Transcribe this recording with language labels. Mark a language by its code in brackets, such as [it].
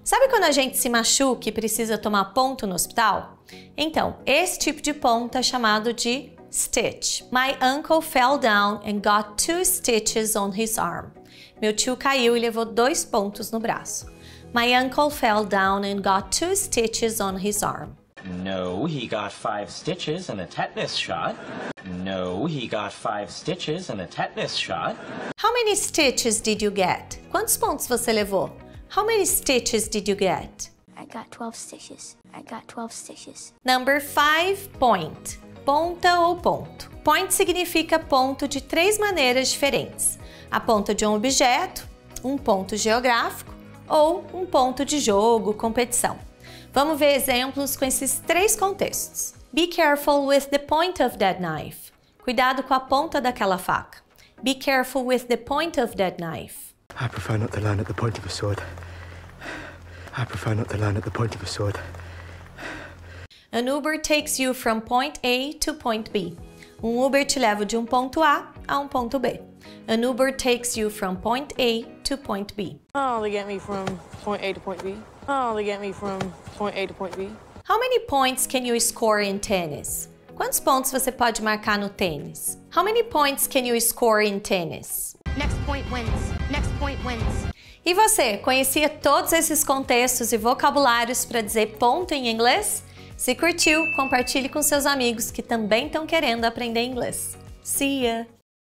[pt] Sabe quando a gente se machuca e precisa tomar ponto no hospital? Então, esse tipo de ponto é chamado de stitch. [en] My uncle fell down and got two stitches on his arm. [pt] Meu tio caiu e levou dois pontos no braço. [en] My uncle fell down and got two stitches on his arm. No, he got five stitches and a tetanus shot. No, he got five stitches and a tetanus shot. How many stitches did you get? [pt] Quantos pontos você levou? [en] How many stitches did you get? I got 12 stitches. I got 12 stitches. Number 5, [pt] point. Ponta ou ponto. Point significa ponto de três maneiras diferentes. A ponta de um objeto, um ponto geográfico ou um ponto de jogo, competição. Vamos ver exemplos com esses três contextos. [en] Be careful with the point of that knife. [pt] Cuidado com a ponta daquela faca. [en] Be careful with the point of that knife. I prefer not to learn at the point of a sword. I prefer not to learn at the point of a sword. An Uber takes you from point A to point B. [pt] Um Uber te leva de ponto A a ponto B. [en] An Uber takes you from point A to point B. Oh, they get me from point A to point B. Oh, they get me from point A to point B. How many points can you score in tennis? [pt] Quantos pontos você pode marcar no tênis? [en] How many points can you score in tennis? Next point wins. Next point wins. [pt] E você, conhecia todos esses contextos e vocabulários para dizer ponto em inglês? Se curtiu, compartilhe com seus amigos que também estão querendo aprender inglês. [en] See ya!